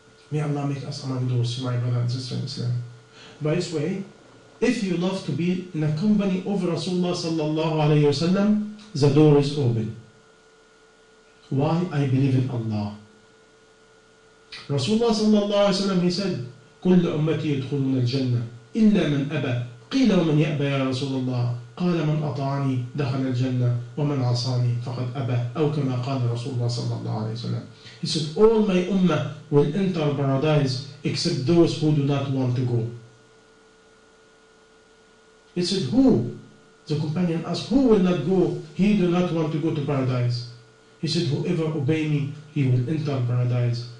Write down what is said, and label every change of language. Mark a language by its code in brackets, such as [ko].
[en] May Allah make us among those, my brother and sister in Islam. By this way, if you love to be in a company of Rasulullah sallallahu alayhi wa sallam, the door is open. Why? I believe in Allah. Rasulullah sallallahu alayhi wa sallam, he said, [ar] كل أمتي يدخلون الجنة إلا من أبى. قيل ومن يأبى يا رسول الله؟ قال من أطاعني دخل الجنة ومن عصاني فقد أبى. أو كما قال رسول الله صلى الله عليه وسلم. [en] He said, all my ummah will enter paradise except those who do not want to go. He said, who? The companion asked, who will not go? He do not want to go to paradise. He said, whoever obey me, he will enter paradise.